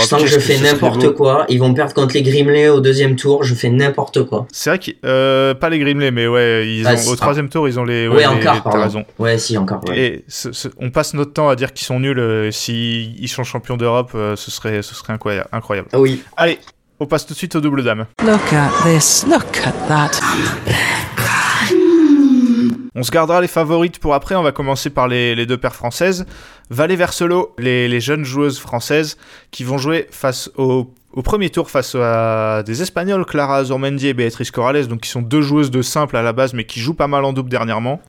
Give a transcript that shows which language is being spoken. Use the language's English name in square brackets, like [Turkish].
[French] Je sens que je fais n'importe quoi. Ils vont perdre contre les Grimley au deuxième tour. Je fais n'importe quoi. C'est vrai que pas les Grimley, mais ouais, au troisième tour, ils ont les... T'as raison. Ouais, si, encore. Ouais. Et on passe notre temps à dire qu'ils sont nuls. S'ils sont champions d'Europe, ce serait incroyable. Oui. Allez, on passe tout de suite au double dames. [English] Look at this, look at that. [French] On se gardera les favorites pour après. On va commencer par les deux paires françaises. Valé Verselo, les jeunes joueuses françaises qui vont jouer face au premier tour face à des Espagnols, Clara Azurmendi et Beatrice Corrales, donc qui sont deux joueuses de simple à la base, mais qui jouent pas mal en double dernièrement.